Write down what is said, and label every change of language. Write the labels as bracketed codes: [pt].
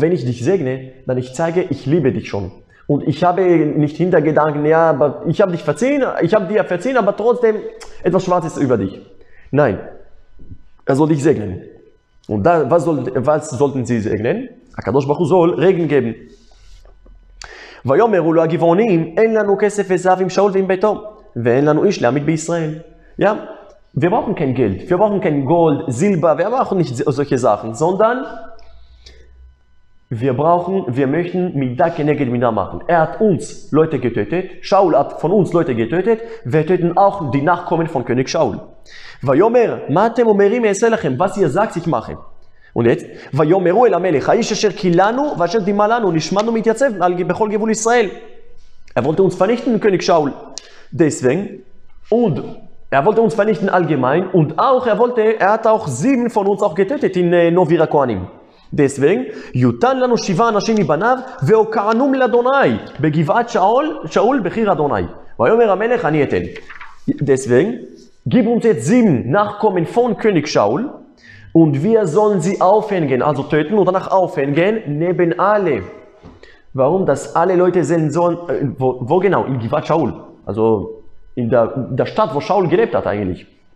[de] Wenn ich dich segne, dann ich zeige, ich liebe dich schon. Und ich habe nicht Hintergedanken, ja, aber ich habe dich verziehen, ich habe dir verziehen, aber trotzdem etwas Schwarzes über dich. Nein, er soll dich segnen. Und da, was sollten sie segnen? Akadosh Baruch Hu soll Regen geben. [he] ויאמרו לו הגבעונים, אין לנו כסף וזהב עם שאול ועם ביתו, ואין לנו איש להעמיד בישראל. [de] Ja, wir brauchen kein Geld, wir brauchen kein Gold, Silber, wir brauchen nicht solche Sachen, sondern wir möchten Mida keneged Mida machen. Er hat uns Leute getötet, Shaul hat von uns Leute getötet, wir töten auch die Nachkommen von König Shaul. [he] ויאמר, מה אתם אומרים אעשה לכם? [de] Was ihr sagt, ich mache. Und jetzt, [he] ויאמרו אל המלך, האיש אשר קילנו ואשר דימה לנו, נשמענו מתייצב בכל גבול ישראל. [de] Er wollte uns vernichten, König Shaul. Deswegen, und er wollte uns vernichten allgemein, und auch er hat auch 7 von uns auch getötet in Novira Kohanim. [he] Deswegen, יותן לנו 7 אנשים מבניו, והוקענום לאדוני, בגבעת שאול, בחיר אדוני. ויאמר המלך, אני אתן. [de] Deswegen, gib uns jetzt 7 Nachkommen von König Shaul. Und wir sollen sie aufhängen, also töten und danach aufhängen, neben alle. Warum? Dass alle Leute sehen sollen, wo genau? In Givat Shaul. Also in der Stadt, wo Shaul gelebt hat eigentlich.